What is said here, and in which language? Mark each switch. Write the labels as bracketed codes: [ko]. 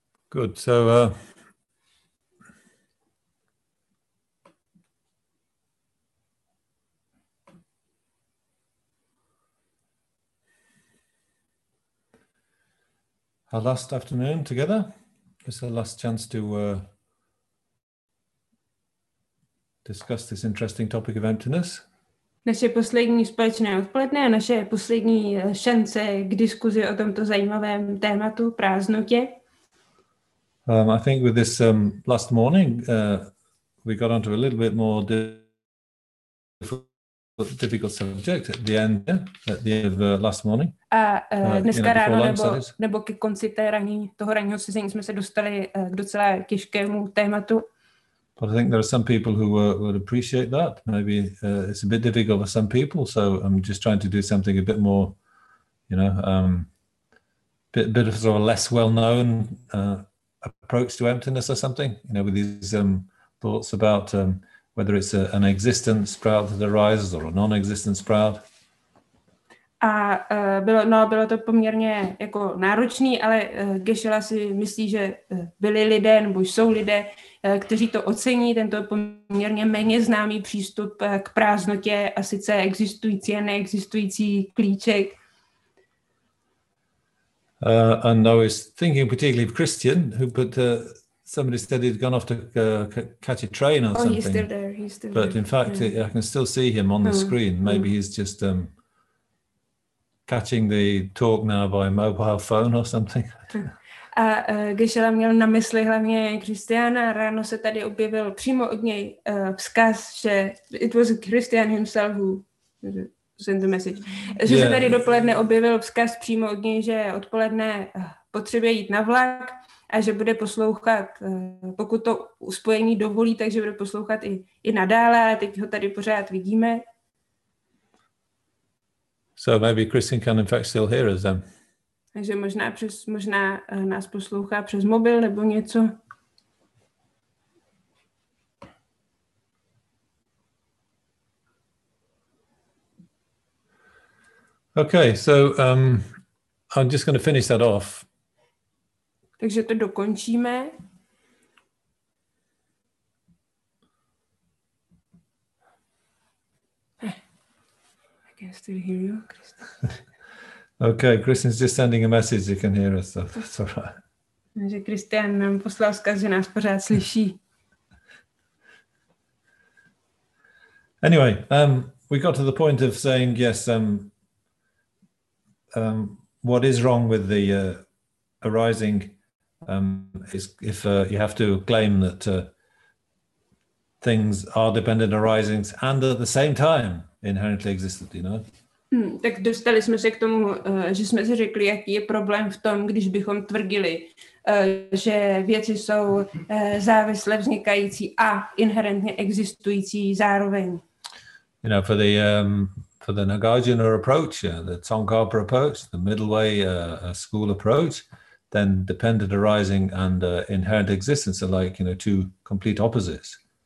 [en] Good, so our last afternoon together, this is the last chance to discuss this interesting topic of emptiness. [cs] Naše poslední společné odpoledne a naše poslední šance k diskuzi o tomto zajímavém tématu prázdnotě. [en] I think with this last morning, we got onto a little bit more difficult subject at the end of last morning. [cs] A dneska ráno nebo ke konci toho ranního sezení jsme se dostali k docela těžkému tématu. [en] But I think there are some people who would appreciate that. Maybe it's a bit difficult for some people, so I'm just trying to do something a bit more, you know, bit of sort of less well-known approach to emptiness or something, you know, with these thoughts about whether it's an existent sprout that arises or a non-existent sprout. [cs] A bylo to poměrně jako náročný, ale Geshe-la si myslí, že byli lidé nebo jsou lidé, kteří to ocení, tento poměrně méně známý přístup k prázdnotě a sice existující a neexistující klíček. [en] And I was thinking particularly of Christian, who put somebody said he'd gone off to catch a train or something. Oh, he's still there. But in fact, yeah. I can still see him on the screen. Maybe he's just catching the talk now by mobile phone or something. [cs] A Geshe-la měl na mysli hlavně Christiana. Ráno se tady objevil přímo od něj vzkaz, že [en] it was Christian himself who send the message. [cs] Že se tady dopoledne objevil vzkaz přímo od něj, že odpoledne potřebuje jít na vlak a že bude poslouchat, pokud to spojení dovolí, takže bude poslouchat i nadále, ale teď ho tady pořád vidíme. [en] So maybe Christian can in fact still hear us then. [cs] Takže možná nás poslouchá přes mobil nebo něco. [en] Okay, so I'm just going to finish that off. [cs] Takže to dokončíme. [en] I can still hear you, Christian. Okay, Christian's just sending a message. You can hear us, so that's all right. [cs] Takže Christian nám poslal vzkaz, že nás pořád slyší. [en] Anyway, we got to the point of saying, yes, what is wrong with the arising is if you have to claim that things are dependent arisings and at the same time inherently existent, you know? [cs] Tak dostali jsme se k tomu, že jsme si řekli, jaký je problém v tom, když bychom tvrdili, že věci jsou závisle vznikající a inherentně existující zároveň. [en] You know, for the for the Nagarjuna approach, the Tsongkhapa approach, the middle way school approach, then dependent arising and inherent existence are like, you know, two complete opposites.